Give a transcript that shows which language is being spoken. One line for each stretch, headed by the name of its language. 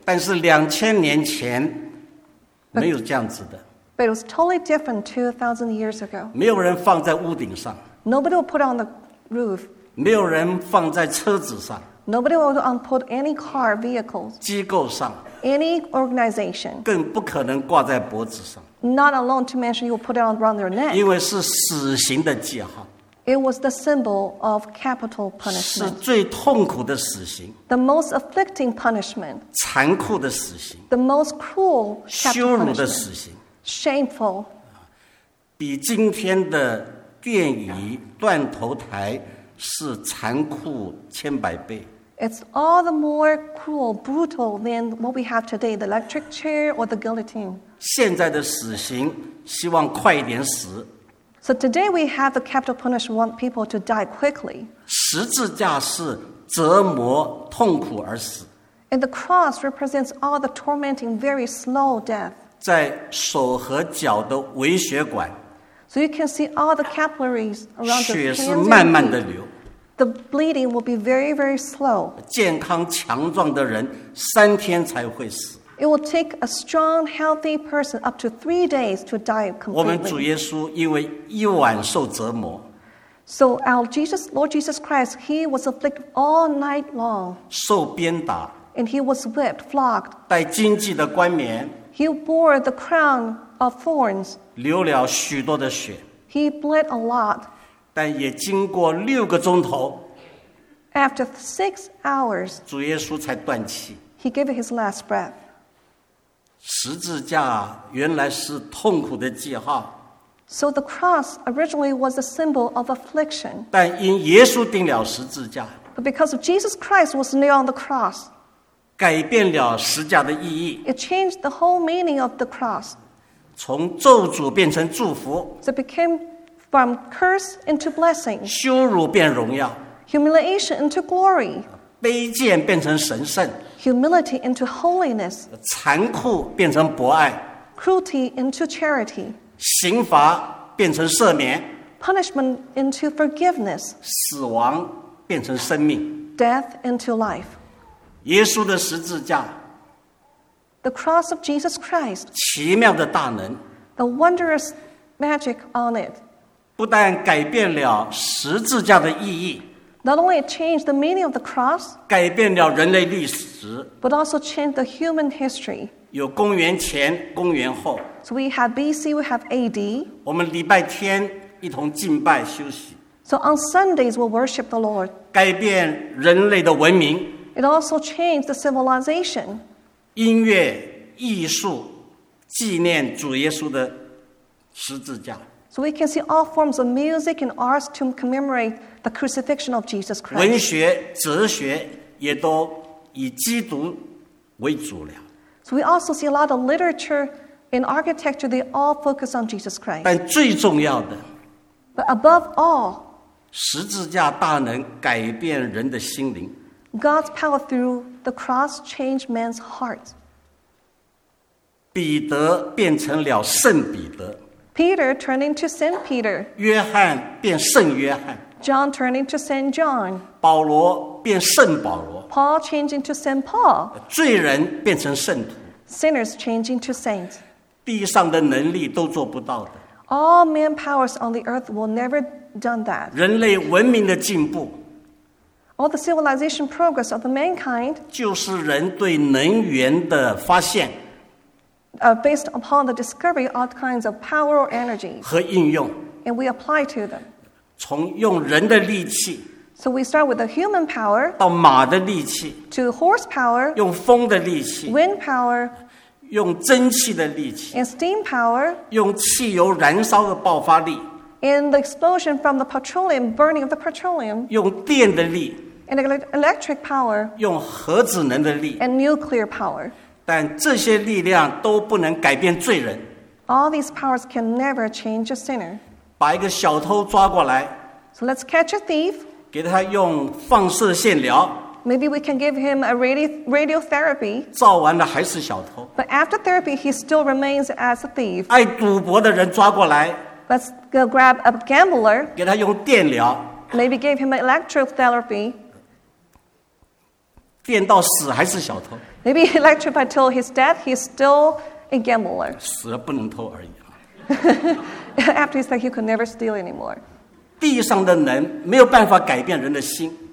Chinese: 但是两千年前没有这样子的。
English: But it was totally different 2,000 years ago.
Chinese: 没有人放在屋顶上。
English: Nobody would put on the roof.
Chinese: 没有人放在车子上。
English: Nobody would put any car vehicles.
Chinese: 机构上。
English: Any organization.
Chinese: 更不可能挂在脖子上。
English: Not alone to mention you will put it around their neck.
Chinese: 因为是死刑的记号。
English: It was the symbol of capital punishment.
Chinese: 是最痛苦的死刑。
English: The most afflicting punishment.
Chinese: 残酷的死刑。
English: The most cruel capital punishment.
Chinese: 羞辱的死刑。
English: Shameful.
Chinese: 比今天的电椅断头台是残酷千百倍。
English: It's all the more cruel, brutal than what we have today, the electric chair or the guillotine.
Chinese: 现在的死刑希望快一点死。
English: So today we have the capital punishment, want people to die quickly.
Chinese: 十字架是折磨痛苦而死。
English: And the cross represents all the tormenting, very slow death.
Chinese: 在手和脚的微血管。
English: So you can see all the capillaries around the hands.
Chinese: 血是慢慢的流。
English: The bleeding will be very, very slow.
Chinese: 健康强壮的人三天才会死。
English: It will take a strong, healthy person up to 3 days to die completely.
Chinese: 我们主耶稣因为一晚受折磨。
English: So our Jesus, Lord Jesus Christ, he was afflicted all night long.
Chinese: 受鞭打。
English: And he was whipped, flogged.
Chinese: 戴荆棘的冠冕。
English: He bore the crown of thorns.
Chinese: 流了许多的血。
English: He bled a lot.
Chinese: 但也经过六个钟头。
English: After 6 hours,
Chinese: 主耶稣才断气。
English: He gave his last breath.
Chinese: 十字架原来是痛苦的记号。
English: So the cross originally was a symbol of affliction.
Chinese: 但因耶稣钉了十字架。
English: But because of Jesus Christ was nailed on the cross.
Chinese: 改变了十字架的意义。
English: It changed the whole meaning of the cross.
Chinese: 从咒诅变成祝福。
English: So it became from curse into blessing.
Chinese: 羞辱变荣耀。
English: Humiliation into glory.
Chinese: 卑贱变成神圣。
English: Humility into holiness.
Chinese: 残酷变成博爱。
English: Cruelty into charity.
Chinese: 刑罚变成赦免。
English: Punishment into forgiveness.
Chinese: 死亡变成生命。
English: Death into life.
Chinese: 耶稣的十字架。
English: The cross of Jesus Christ.
Chinese: 奇妙的大能。
English: The wondrous magic on it.
Chinese: 不但改变了十字架的意义。
English: Not only changed the meaning of the cross,
Chinese: 改变了人类历史,
English: but also changed the human history.
Chinese: 有公元前、公元后。
English: So we have BC, we have AD.
Chinese: 我们礼拜天一同敬拜休息。
English: So on Sundays, we'll worship the Lord.
Chinese: 改变人类的文明。
English: It also changed the civilization.
Chinese: 音乐、艺术、纪念主耶稣的十字架。
English: So we can see all forms of music and arts to commemorate the crucifixion of Jesus Christ.
Chinese: 文学、哲学也都以基督为主了。
English: So we also see a lot of literature and architecture, they all focus on Jesus Christ.
Chinese: 但最重要的
English: But above all,
Chinese: 十字架大能改变人的心灵。
English: God's power through the cross changed man's heart.
Chinese: 彼得变成了圣彼得。
English: Peter turned into Saint Peter.
Chinese: 约翰变圣约翰。
English: John turned into Saint John.
Chinese: 保罗变圣保罗。
English: Paul changed into Saint Paul.
Chinese: 罪人变成圣徒。
English: Sinners changed into saints.
Chinese: 地上的能力都做不到的。
English: All man powers on the earth will never done that.
Chinese: 人类文明的进步。
English: All the civilization progress of the mankind.
Chinese: 就是人对能源的发现。
English: Based upon the discovery of all kinds of power or energy.
Chinese: 和应用。
English: And we apply to them.
Chinese: 从用人的力气。
English: So we start with the human power.
Chinese: 到马的力气。
English: To horsepower.
Chinese: 用风的力气。
English: Wind power.
Chinese: 用蒸汽的力气。
English: And steam power.
Chinese: 用汽油燃烧的爆发力。
English: And the explosion from the petroleum, burning of the petroleum.
Chinese: 用电的力。
English: And electric power.
Chinese: 用核子能的力。
English: And nuclear power.
Chinese: 但这些力量都不能改变罪人。
English: All these powers can never change a sinner.
Chinese: 把一个小偷抓过来。
English: So let's catch a thief.
Chinese: 给他用放射线疗。
English: Maybe we can give him a radiotherapy.
Chinese: 照完了还是小偷。
English: But after therapy, he still remains as a thief.
Chinese: 爱赌博的人抓过来。
English: Let's go grab a gambler.
Chinese: 给他用电疗。
English: Maybe give him electrotherapy.
Chinese: 电到死还是小偷。
English: Maybe electric until his death, he's still a gambler.
Chinese: 死了不能偷而已。
English: After his death, he could never steal anymore.
Chinese: 地上的能没有办法改变人的心。